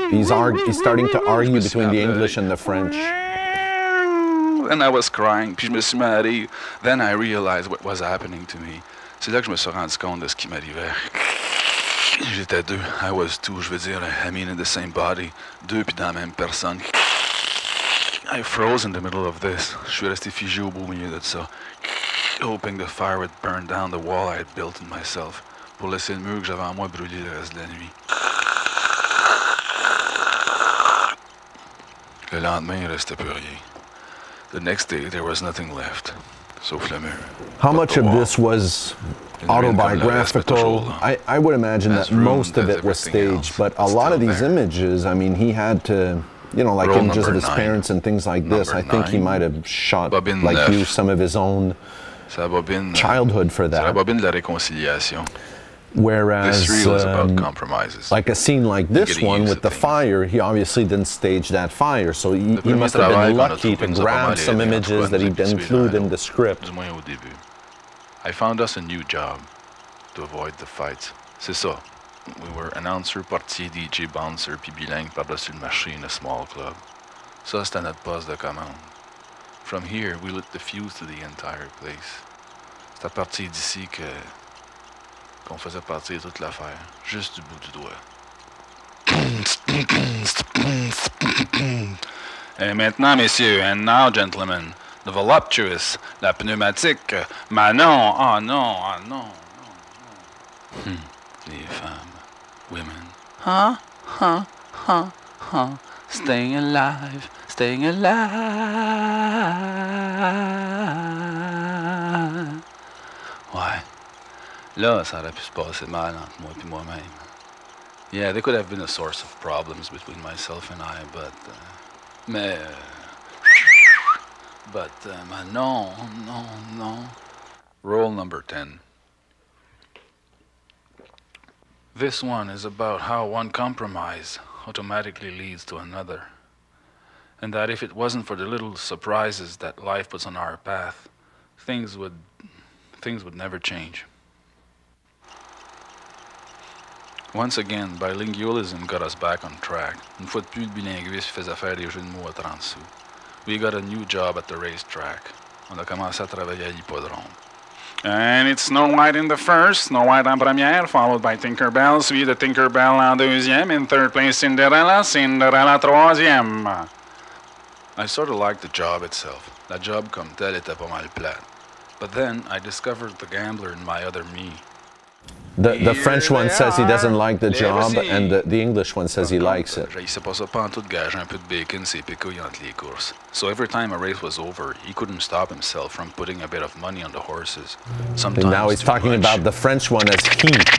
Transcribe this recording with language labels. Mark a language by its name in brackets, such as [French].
[English] He's starting to argue between the English and the French. And I was crying, [French] puis je me suis mal dit. [English] Then I realized what was happening to me. [French] C'est là que je me suis rendu compte de ce qui m'arrivait. J'étais deux. [English] I was two, [French] je veux dire. [English] I mean, in the same body. [French] Deux, puis dans la même personne. [English] I froze in the middle of this. [French] Je suis resté figé au beau milieu de ça. [English] Hoping the fire would burn down the wall I had built in myself. [French] Pour laisser le mur que j'avais en moi brûler le reste de la nuit. Le lendemain, il ne restait plus rien. [English] The next day, there was nothing left. So Flemmer. How much of this was autobiographical? I would imagine that most of it was staged, but a lot of these images, I mean, he had to, you know, like images of his parents and things like this. I think he might have shot, like you, some of his own childhood for that. Whereas, like a scene like this one with the fire, he obviously didn't stage that fire, so he must have been lucky to grab some images that he didn't include in the script. I found us a new job to avoid the fights. [French] C'est ça. [English] We were announcer, portier, DJ, bouncer, [French] puis bilingue par-dessus une machine, [English] a small club. [French] Ça, c'était notre poste de commande. [English] From here, we lit the fuse to the entire place. [French] C'est à partir d'ici que... qu'on faisait partir toute l'affaire, juste du bout du doigt. Et maintenant, messieurs, [English] and now, gentlemen, the voluptuous, [French] la pneumatique, Manon, oh non, oh non. Les femmes, [English] women. Staying alive, staying alive. [French] Ouais. Là, ça aurait pu se passer mal entre moi et moi-même. [English] Yeah, there could have been a source of problems between myself and I, but... [French] Non. [English] Rule number 10. This one is about how one compromise automatically leads to another. And that if it wasn't for the little surprises that life puts on our path, things would never change. Once again, bilingualism got us back on track. [French] Une fois de plus, le bilinguisme faisait faire des jeux de mots à 30 sous. [English] We got a new job at the racetrack. [French] On a commencé à travailler à l'hippodrome. [English] And it's Snow White in the first, Snow White en première, followed by Tinkerbell, [French] suivi de Tinkerbell en deuxième, [English] in third place Cinderella, Cinderella troisième. I sort of liked the job itself. [French] La job comme telle était pas mal plate. [English] But then, I discovered the gambler in my other me. The French one says he doesn't like the job, and the English one says he likes it. [French] Il s'est passé pas en tout gage un peu de bacon, c'est picouille entre les courses. [English] So every time a race was over, he couldn't stop himself from putting a bit of money on the horses. Sometimes now he's talking about the French one as he.